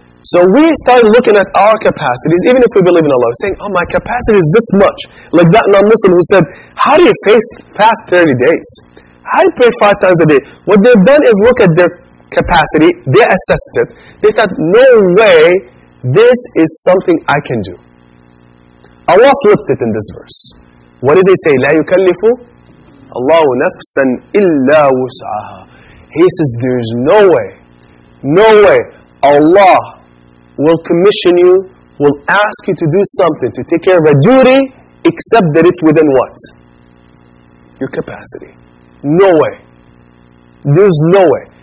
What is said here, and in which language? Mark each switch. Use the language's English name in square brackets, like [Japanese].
[English] So we start looking at our capacities, even if we believe in Allah, saying, oh, my capacity is this much. Like that non-Muslim who said, how do you fast 30 days? How do you pray five times a day? What they've done is look at their capacity, they assessed it, they thought, no way, this is something I can do. Allah flipped it in this verse. What does He say? [Arabic] لا يكلف الله نفسا إلا وسعها. [English] He says there's no way, no way Allah will commission you, will ask you to do something, to take care of a duty, except that it's within what? Your capacity. No way. There's no way.